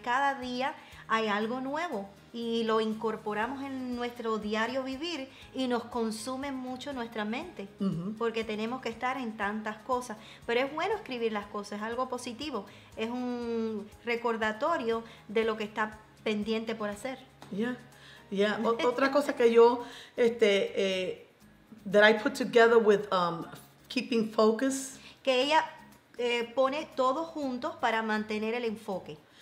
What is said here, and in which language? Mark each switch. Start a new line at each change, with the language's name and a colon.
Spanish: Cada día hay algo nuevo y lo incorporamos en nuestro diario vivir y nos consume mucho nuestra mente, uh-huh, porque tenemos que estar en tantas cosas. Pero es bueno escribir las cosas, es algo positivo, es un recordatorio de lo que está pendiente por hacer. Ya, yeah, ya. Yeah. Otra cosa que yo,
English: that I put together with keeping focus.
Spanish: Que ella pone todos juntos para mantener el enfoque.